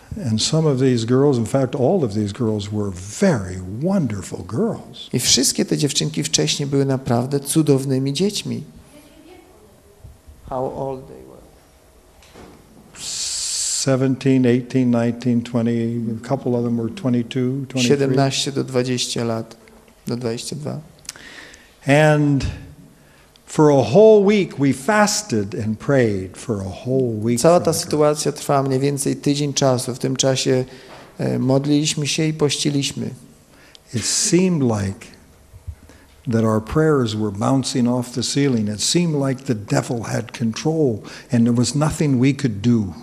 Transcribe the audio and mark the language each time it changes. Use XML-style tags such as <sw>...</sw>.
<en>And some of these girls, in fact, all of these girls were very wonderful girls.</en> <pl>I wszystkie te dziewczynki wcześniej były naprawdę cudownymi dziećmi.</pl> <en>How old they were? 17, 18, 19, 20, a couple of them were 22, 23.</en> <pl>17 do 20 lat, do 22.</pl> <en>And for a whole week we fasted and prayed for a whole week.</en> <pl>Cała ta sytuacja trwała mniej więcej tydzień czasu. W tym czasie modliliśmy się i pościliśmy.</pl> <en>It seemed like that our prayers were bouncing off the ceiling. It seemed like the devil had control and there was nothing we could do.</en>